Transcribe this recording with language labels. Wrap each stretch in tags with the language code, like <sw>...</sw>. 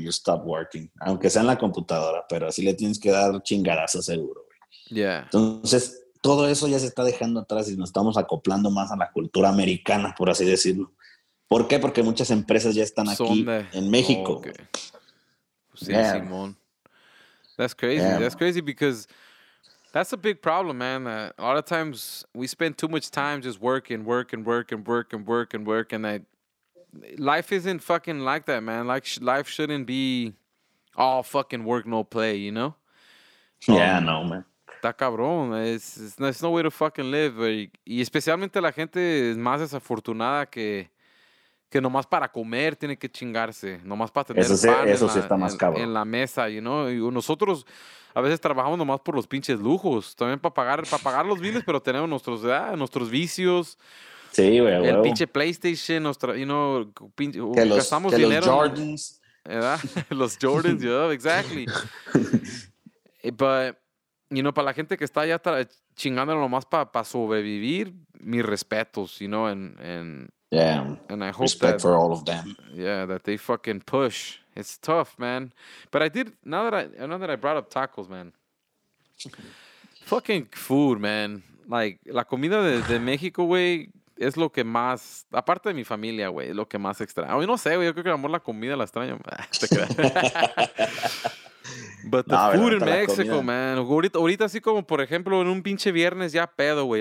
<en>you stop working,</en> <es>aunque sea en la computadora, pero así le tienes que dar chingadazo seguro, güey.</es> <en>Yeah.</en> <es>Entonces, todo eso ya se está dejando atrás y nos estamos acoplando más a la cultura americana, por así decirlo. ¿Por qué? Porque muchas empresas ya están aquí en México.</es> <en>Oh, okay. Sí, yeah. Simón. That's crazy. Yeah. That's crazy because that's a big problem, man. A lot of times we spend too much time just working. That life isn't fucking like that, man. Like life shouldn't be all fucking work, no play, you know? Yeah, no, man.</en> <es>Está cabrón.</es> <en>It's no way to fucking live.</en> <es>Y especialmente la gente es más desafortunada que nomás para comer tiene que chingarse. Nomás para tener eso sí está más cabrón en la mesa, you know? Y nosotros a veces trabajamos nomás por los pinches lujos. También para pagar los biles, pero tenemos nuestros vicios. Sí, güey, güey. El pinche PlayStation, gastamos dinero. Los Jordans. ¿Verdad? Los Jordans,</es> <en>yeah, exactly. But</en> <es>para la gente que está ya chingándolo nomás para sobrevivir, mis respetos, you know,</es> <en>Yeah, and I hope respect that, for all of them. Yeah, that they fucking push. It's tough, man. But I did, now that I brought up tacos, man. Fucking food, man.</en> <es>Like, la comida de México, güey, es lo que más, aparte de mi familia, güey, es lo que más extraño. Yo no sé, güey, yo creo que el amor la comida la extraño.</es> <en>But the food in Mexico, man.</en> <es>Ahorita así como, por ejemplo, en un pinche viernes ya pedo, güey.</es>